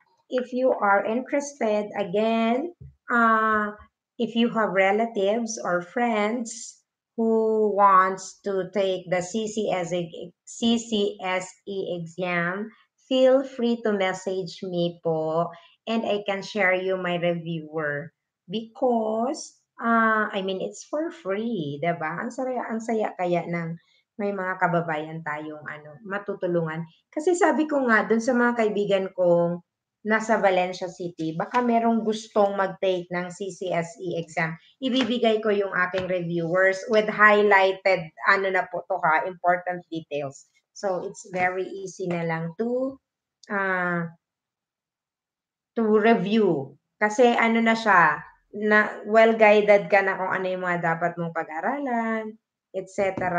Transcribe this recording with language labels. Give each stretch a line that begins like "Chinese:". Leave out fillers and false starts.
English: If you are interested, again, if you have relatives or friends who wants to take the CCSE exam, feel free to message me po and I can share you my reviewer because, I mean, it's for free, diba?
Filipino: Ang saya kaya ng may mga kababayan tayong ano, matutulungan. Kasi sabi ko nga, dun sa mga kaibigan kong nasa Valencia City, baka merong gustong mag-take ng CCSE exam. Ibibigay ko yung aking reviewers
English: with highlighted,
Filipino: ano na po to ha,
English: important details. So, it's very easy
Filipino: na lang
English: to review.
Filipino: Kasi ano na siya, na well-guided ka na kung ano yung mga dapat mong pag-aralan, etc.